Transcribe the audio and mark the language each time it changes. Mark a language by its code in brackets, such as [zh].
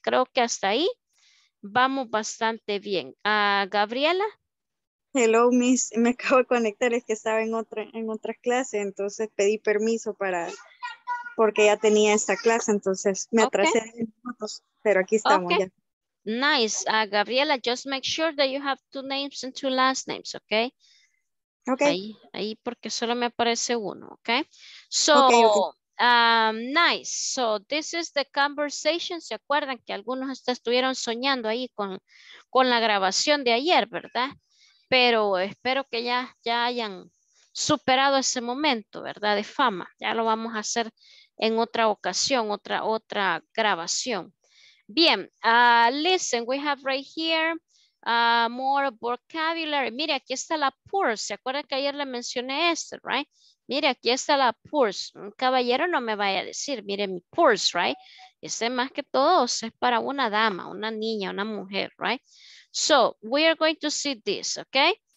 [es] Creo que hasta ahí vamos bastante bien. Gabriela. [en] Hello, Miss. [es] Me acabo de conectar. Es que estaba en otra clase. Entonces pedí permiso para... porque ya tenía esta clase, entonces me atrasé 10 minutos, pero aquí estamos [en] okay. [es] Ya. [en] Nice. Gabriela, just make sure that you have 2 names and 2 last names, ok? Ok. [es] Ahí porque solo me aparece uno, ok? [en] So, okay. Nice. So, this is the conversation. [es] ¿Se acuerdan que algunos hasta estuvieron soñando ahí con la grabación de ayer, verdad? Pero espero que ya hayan superado ese momento, ¿verdad? De fama. Ya lo vamos a hacer en otra ocasión, otra grabación. [en] Bien, listen, we have right here more vocabulary. [es] Mire, aquí está la purse. ¿Se acuerda que ayer le mencioné esto, right? Mire, aquí está la purse. Un caballero no me vaya a decir, mire mi purse, right? Este más que todo es para una dama, una niña, una mujer, right? [en] So, we are going to see this, okay?